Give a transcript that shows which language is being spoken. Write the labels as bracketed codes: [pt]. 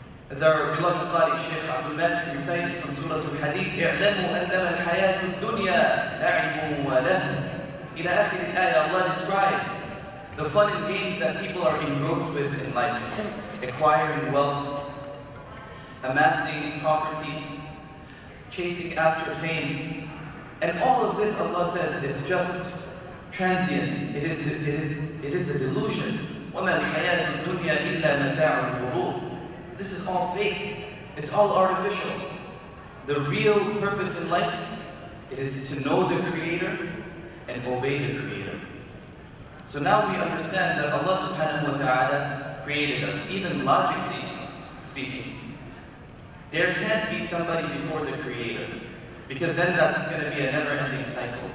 [en] As our beloved Qadi Shaykh Abdul Majid recited from Surah Al-Hadid, [ar] اعلموا أنما الحياة الدنيا لعب ولهو [en] In [ar] آخر الآية, [en] Allah describes the fun and games that people are engrossed with in life. Acquiring wealth, amassing property, chasing after fame. And all of this, Allah says, is just transient. It is a delusion. [ar] وَمَا الْحَيَاةُ الدُّنْيَا إِلَّا مَتَاعُ الْغُرُورِ [en] This is all fake. It's all artificial. The real purpose in life, it is to know the Creator, and obey the Creator. So now we understand that Allah subhanahu wa ta'ala created us, even logically speaking. There can't be somebody before the Creator, because then that's going to be a never-ending cycle.